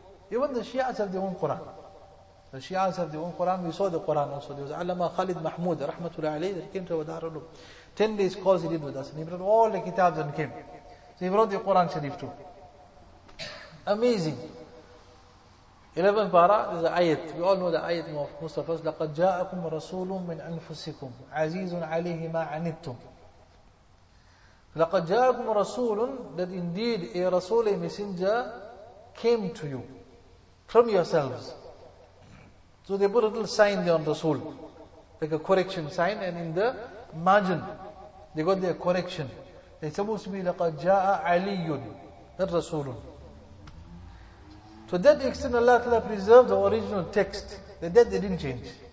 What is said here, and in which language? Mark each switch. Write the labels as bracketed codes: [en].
[en] Even the Shias have their own Quran. The Shias have their own Quran. We saw the Quran also. There was Allama Khalid Mahmood, rahmatullah alayhi, that came to our Darul Uloom. 10 days course he did with us. And he brought all the kitabs and came. So he brought the Quran Sharif too. Amazing. 11th para, there's an ayat. We all know the ayat of most of us. [ar] لَقَدْ جَاءَكُمْ رَسُولٌ مِّنْ أَنفُسِكُمْ عَزِيزٌ عَلَيْهِ مَا عَنِدْتُمْ لَقَدْ جَاءَكُمْ رَسُولٌ, [en] that indeed a Rasul, a messenger came to you from yourselves. So they put a little sign there on Rasul, like a correction sign, and in the margin, they got their correction. It's supposed to be [ar] لَقَدْ جَاءَ عَلِيٌّ, [en] not Rasulun. So that extent Allah Ta'ala preserved the original text. That they didn't change.